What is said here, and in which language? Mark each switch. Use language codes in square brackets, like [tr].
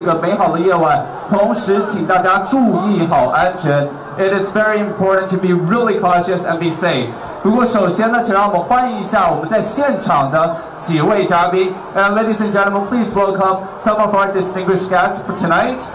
[zh] 一个美好的夜晚，同时请大家注意好安全。 [en] It is very important to be really cautious and be safe. [zh] 不过首先呢，请让我们欢迎一下我们在现场的几位嘉宾。 [en] And ladies and gentlemen, please welcome some of our distinguished guests for tonight.